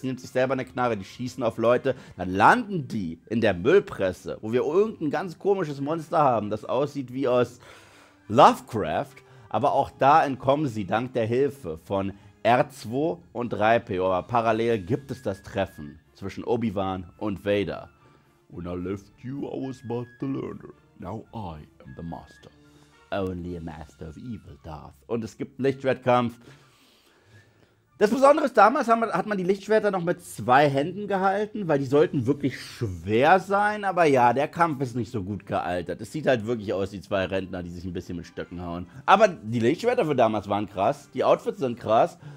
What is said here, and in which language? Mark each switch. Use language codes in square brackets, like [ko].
[de] Sie nimmt sich selber eine Knarre, die schießen auf Leute. Dann landen die in der Müllpresse, wo wir irgendein ganz komisches Monster haben, das aussieht wie aus Lovecraft. Aber auch da entkommen sie dank der Hilfe von R2 und 3PO. Aber parallel gibt es das Treffen zwischen Obi-Wan und Vader. [en] When I left you, I was but the learner. Now I am the master. Only a master of evil, Darth. [de] Und es gibt einen Lichtschwertkampf. Das Besondere ist, damals hat man die Lichtschwerter noch mit zwei Händen gehalten, weil die sollten wirklich schwer sein. Aber ja, der Kampf ist nicht so gut gealtert. Es sieht halt wirklich aus wie zwei Rentner, die sich ein bisschen mit Stöcken hauen. Aber die Lichtschwerter für damals waren krass. Die Outfits sind krass.